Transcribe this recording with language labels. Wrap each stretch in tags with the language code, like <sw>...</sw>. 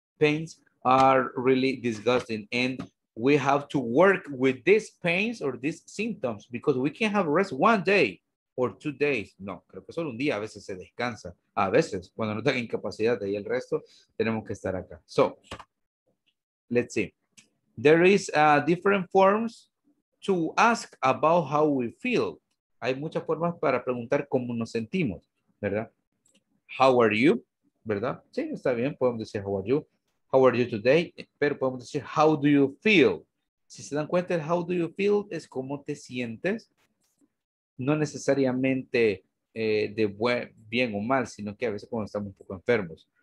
<en>Pains are really disgusting and we have to work with these pains or these symptoms because we can have rest one day or two days.</en> <es>No, creo que solo un día a veces se descansa. A veces, cuando no tenga incapacidad de ahí el resto, tenemos que estar acá.</es> <en>So, let's see. There is different forms to ask about how we feel.</en> <es>Hay muchas formas para preguntar cómo nos sentimos, ¿verdad?</es> <en>How are you?</en> <es>¿Verdad? Sí, está bien, podemos decir</es> <en>how are you. How are you today?</en> <es>Pero podemos decir,</es> <en>how do you feel?</en> <es>Si se dan cuenta,</es> <en>how do you feel</en> <es>es cómo te sientes. No necesariamente bien o mal, sino que a veces cuando estamos un poco enfermos.</es>